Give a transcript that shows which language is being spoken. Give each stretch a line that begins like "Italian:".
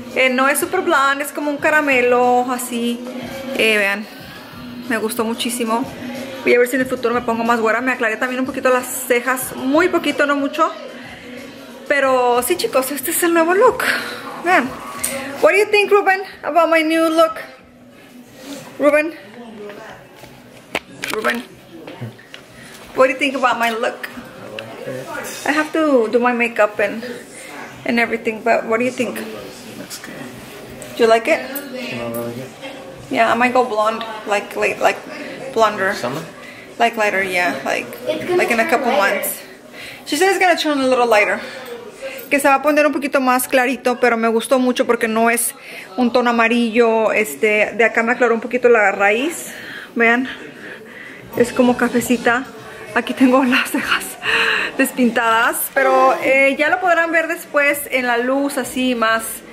Spanish: No es
English: super blonde,
Spanish: es como un caramelo, así. Vean, me gustó muchísimo. Voy a ver si en el futuro me pongo más güera. Me aclaré también un poquito las cejas, muy poquito, no mucho. Pero sí, chicos, este es el nuevo look. Vean.
English: What do you think, Ruben, about my new look? Ruben. Ruben. What do you think about my look? I have to do my makeup and everything, but what do you think? Do you like it? Yeah, I might go blonde, like blonder. Summer? Like lighter, yeah. Like in a couple lighter. Months. She said it's gonna turn a little lighter.
Spanish: Que se va a poner un poquito más clarito, pero me gustó mucho porque no es un tono amarillo. De acá me aclaró un poquito la raíz. Vean. Es como cafecita. Aquí tengo las cejas despintadas. Pero ya lo podrán ver después en la luz, así más...